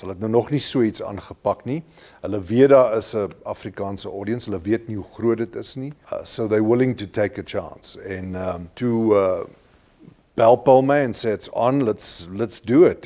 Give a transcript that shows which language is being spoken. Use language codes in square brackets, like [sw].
[af] Hulle het nou nog nie so iets aangepak nie. Hulle weet daar is 'n Afrikaanse audience, hulle weet nie hoe groot dit is nie. [en] So they willing to take a chance. [af] En Paul my en sê [en] it's on, let's do it.